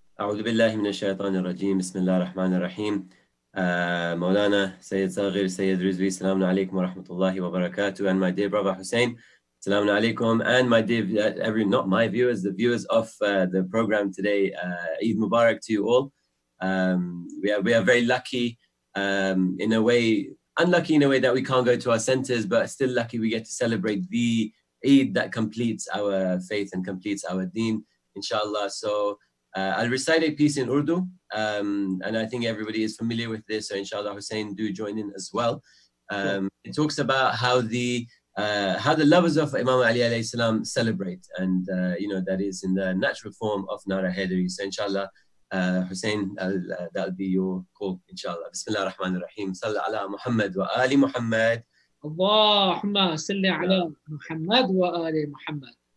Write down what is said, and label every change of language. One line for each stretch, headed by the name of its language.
Arabic: أعوذ بالله من الشيطان الرجيم. بسم الله الرحمن الرحيم. مولانا سيد صغير سيد رزوي. السلام عليكم ورحمة الله وبركاته.
English: And my dear brother Hussein. Assalamu alaikum. And my dear every not my viewers, the viewers of the program today. Eid Mubarak to you all. We are very lucky. In a way, unlucky in a way that we can't go to our centers, but still lucky we get to celebrate the Eid that completes our faith and completes our deen, inshallah. So I'll recite a piece in Urdu, and I think everybody is familiar with this, so inshallah, Hussein, do join in as well. Sure. It talks about how the lovers of Imam Ali alayhi salam celebrate, and you know, that is in the natural form of Nara Haydari. So inshallah, Hussein, that'll be your call, inshallah.
Arabic: Bismillah ar-Rahman ar-Rahim. Salla ala Muhammad wa Ali Muhammad. اللهم صل على محمد وآل محمد